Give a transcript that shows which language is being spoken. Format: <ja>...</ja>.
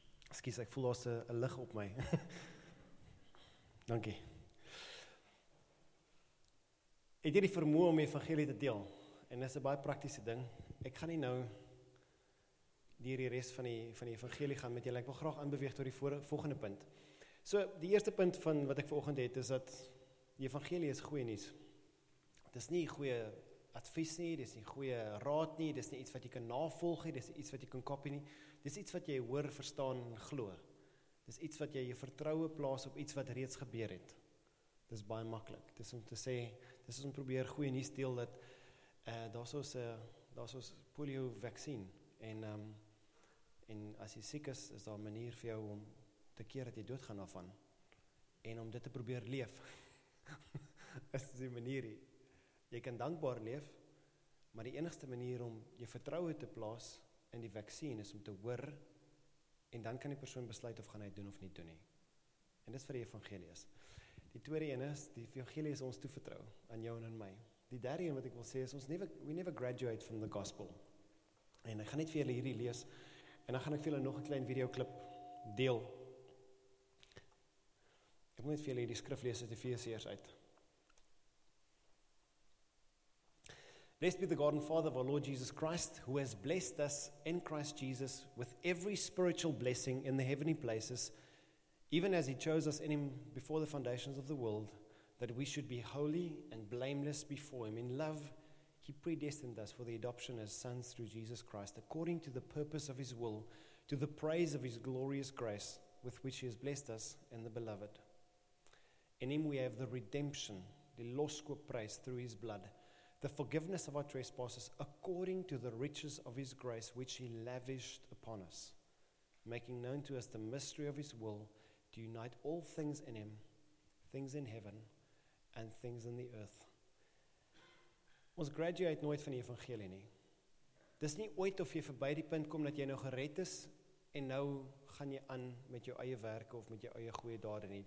<af>Excuse, ek voel daar's 'n lig op my. Dankie. Het jy die vermoë om die evangelie te deel? En dis 'n baie praktiese ding. Ek gaan nie nou deur die res van die evangelie gaan met julle. Ek wil graag aanbeweeg tot die volgende punt. So, die eerste punt van wat ek vanoggend het, is dat die evangelie is goeie nuus. Dit is nie goeie advies nie, dis nie goeie raad nie, dis nie iets wat jy kan navolg nie, dis iets wat jy kan kopie nie. Dis iets wat jy hoor, verstaan en glo. Dis iets wat jy vertroue plaas op iets wat reeds gebeur het. Dis baie maklik. Dis om te sê, dis om probeer goeie nuus deel dat daar's ons polio vaksin en as jy siek is, is daar 'n manier vir jou om te keer dat jy doodgaan daarvan en om dit te probeer leef. Is die manier hier. Jy kan dankbaar leef, maar die enigste manier om jou vertroue te plaas in die vaksin is om te hoor en dan kan die persoon besluit of gaan hy doen of nie doen nie. En dis vir die evangelie is. Die tweede een is, die evangelie is ons toevertrou aan jou en aan my. Die derde een wat ek wil sê is,</af> <en>we never graduate from the gospel.</en> <af>En ek gaan net vir julle hierdie lees, en dan gaan ek vir julle nog 'n klein videoklip deel. Ek moet net vir julle hierdie skrif lees uit Efesiërs uit.</af> <en>Blessed be the God and Father of our Lord Jesus Christ, who has blessed us in Christ Jesus with every spiritual blessing in the heavenly places, even as he chose us in him before the foundations of the world, that we should be holy and blameless before him. In love, he predestined us for the adoption as sons through Jesus Christ, according to the purpose of his will, to the praise of his glorious grace, with which he has blessed us in the beloved. In him we have the redemption, the</en> <af>loskoop prys,</af> <en>through his blood, the forgiveness of our trespasses, according to the riches of his grace, which he lavished upon us, making known to us the mystery of his will, to unite all things in him, things in heaven and things in the earth.</en> <af>Ons graduate nooit van die evangelie nie. Dis nie ooit of jy verby die punt kom dat jy nou gered is en nou gaan jy aan met jou eie werke of met jou eie goeie dade nie.</af>